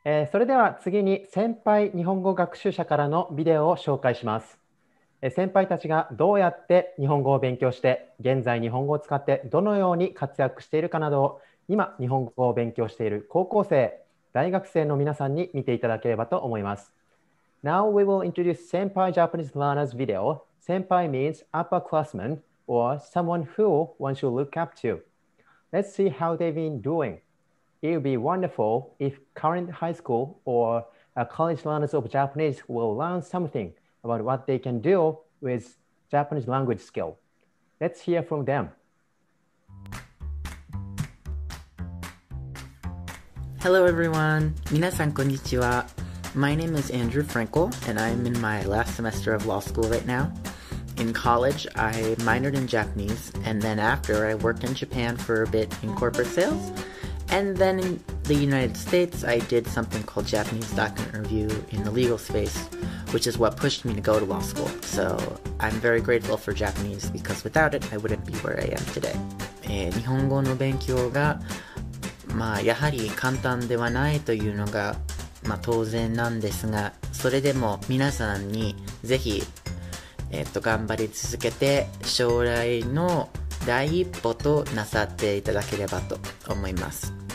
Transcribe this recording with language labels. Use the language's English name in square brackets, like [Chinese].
[Japanese] それでは次に先輩日本語学習者からのビデオを紹介します。先輩たちがどうやって日本語を勉強して、現在日本語を使ってどのように活躍しているかなどを、今日本語を勉強している高校生、大学生の皆さんに見ていただければと思います。 [English] Now we will introduce 先輩 Japanese learners video. 先輩 means upperclassman or someone who one should look up to. Let's see how they've been doingIt would be wonderful if current high school or college learners of Japanese will learn something about what they can do with Japanese language skill. Let's hear from them. Hello, everyone. [Japanese] 皆さん、こんにちは。 [English] My name is Andrew Frankel, and I'm in my last semester of law school right now. In college, I minored in Japanese, and then after, I worked in Japan for a bit in corporate sales. And then in the United States, I did something called Japanese Document Review in the legal space, which is what pushed me to go to law school. So I'm very grateful for Japanese because without it, I wouldn't be where I am today. [Japanese] 日本語の勉強が、まあ、やはり簡単ではないというのが、まあ、当然なんですが、それでも皆さんにぜひ、頑張り続けて将来の第一歩となさっていただければと思います。